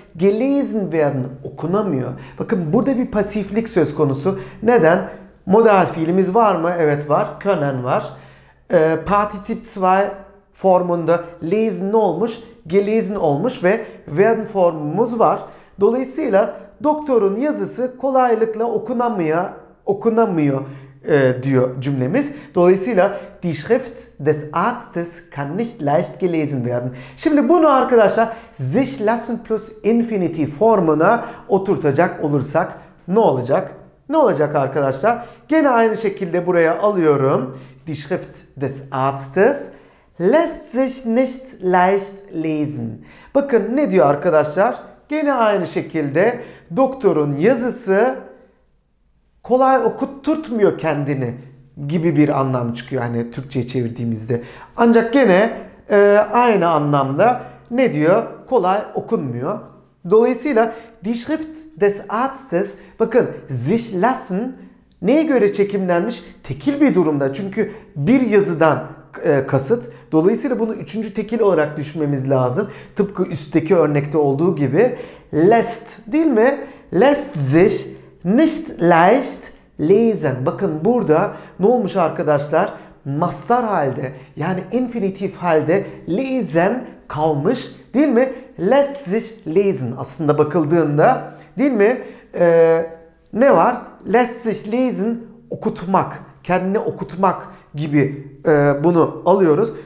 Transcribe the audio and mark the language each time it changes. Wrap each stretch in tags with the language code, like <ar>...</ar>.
<tr>Gelesen werden, okunamıyor. Bakın burada bir pasiflik söz konusu. Neden? Modal fiilimiz var mı? Evet var, können var. Partizip 2 formunda lesen ne olmuş? Gelesen olmuş ve werden formumuz var. Dolayısıyla doktorun yazısı kolaylıkla okunamıyor diyor cümlemiz.</tr> <de>Dolayısıyla die Schrift des Arztes kann nicht leicht gelesen werden.</de> <tr>Şimdi bunu arkadaşlar sich lassen plus infinitiv formuna oturtacak olursak ne olacak? Ne olacak arkadaşlar? Gene aynı şekilde buraya alıyorum.</tr> <de>Die Schrift des Arztes lässt sich nicht leicht lesen.</de> <tr>Bakın ne diyor arkadaşlar? Gene aynı şekilde doktorun yazısı kolay okutturtmuyor kendini gibi bir anlam çıkıyor hani Türkçe'ye çevirdiğimizde. Ancak gene aynı anlamda ne diyor? Kolay okunmuyor. Dolayısıyla die Schrift des Arztes, bakın sich lassen neye göre çekimlenmiş? Tekil bir durumda. Çünkü bir yazıdan kasıt. Dolayısıyla bunu üçüncü tekil olarak düşünmemiz lazım. Tıpkı üstteki örnekte olduğu gibi lässt, değil mi?</tr> <de>Lässt sich nicht leicht lesen.</de> <tr>Bakın burada ne olmuş arkadaşlar? Mastar halde yani infinitif halde lesen kalmış, değil mi? Lässt sich lesen. Aslında bakıldığında değil mi? Ne var? Lässt sich lesen okutmak, kendini okutmak gibi bunu alıyoruz.</tr>